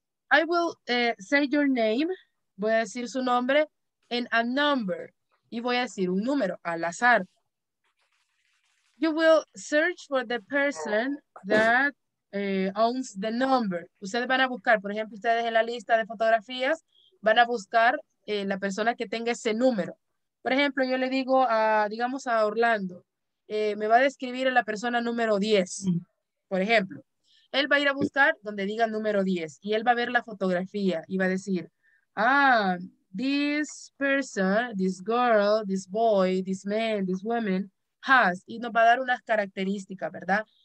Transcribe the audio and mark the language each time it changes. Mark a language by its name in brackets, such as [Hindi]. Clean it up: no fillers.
[English] I will say your name. [Spanish] Voy a decir su nombre en [English] a number [Spanish] y voy a decir un número al azar. [English] You will search for the person that owns the number. [Spanish] Ustedes van a buscar, por ejemplo, ustedes en la lista de fotografías van a buscar la persona que tenga ese número. Por ejemplo, yo le digo a, digamos a Orlando, me va a describir a la persona número 10, por ejemplo. Él va a ir a buscar donde diga número 10 y él va a ver la fotografía y va a decir, ah, [English] this person, this girl, this boy, this man, this woman has, [Spanish] y nos va a dar unas características, ¿verdad?